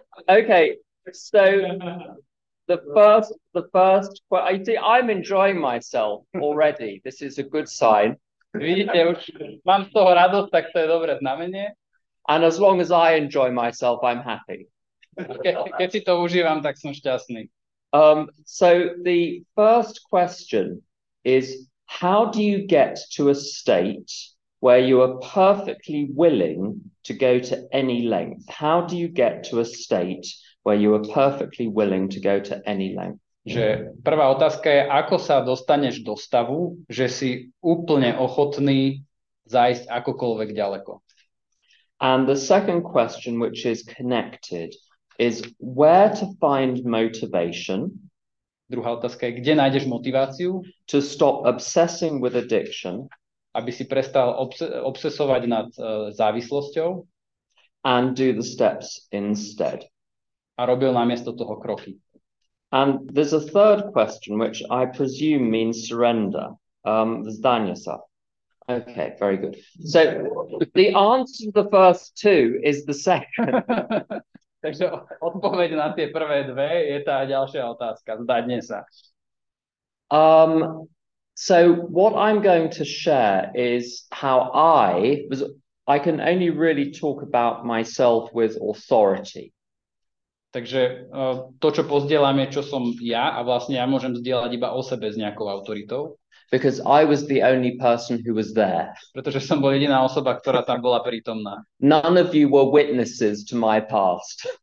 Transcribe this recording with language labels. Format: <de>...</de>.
<en>Okay, so the first I see I'm enjoying myself already. This is a good sign.</en> <sk>Vidíte, už mám z toho radosť, tak to je dobré znamenie.</sk> <en>And as long as I enjoy myself, I'm happy.</en> <sk>Keď si to užívam, tak som šťastný.</sk> <en>So the first question is, how do you get to a state where you are perfectly willing to go to any length? How do you get to a state where you are perfectly willing to go to any length?</en> <sk>Že prvá otázka je, ako sa dostaneš do stavu, že si úplne ochotný zájsť akokoľvek ďaleko?</sk> <en>And the second question, which is connected, is where to find motivation.</en> <sk>Druhá otázka je, kde nájdeš motiváciu?</sk> <en>To stop obsessing with addiction.</en> <sk>Aby si prestal obsesovať nad závislosťou.</sk> <en>And do the steps instead.</en> <sk>A robil namiesto toho kroky.</sk> <en>And there's a third question, which I presume means surrender.</en> <sk>Vzdanie sa.</sk> <en>Okay, very good. So the answer to the first two is the second.</en> <sk>Takže odpoveď na tie prvé dve je tá ďalšia otázka. Zdanie sa.</sk> <en>So what I'm going to share is how I can only really talk about myself with authority.</en> <sk>Takže to, čo pozdieľam, je, čo som ja a vlastne ja môžem zdieľať iba o sebe s nejakou autoritou.</sk> <en>Because I was the only person who was there.</en> <sk>Pretože som bol jediná osoba, ktorá tam bola prítomná.</sk> <en>None of you were witnesses to my past.</en>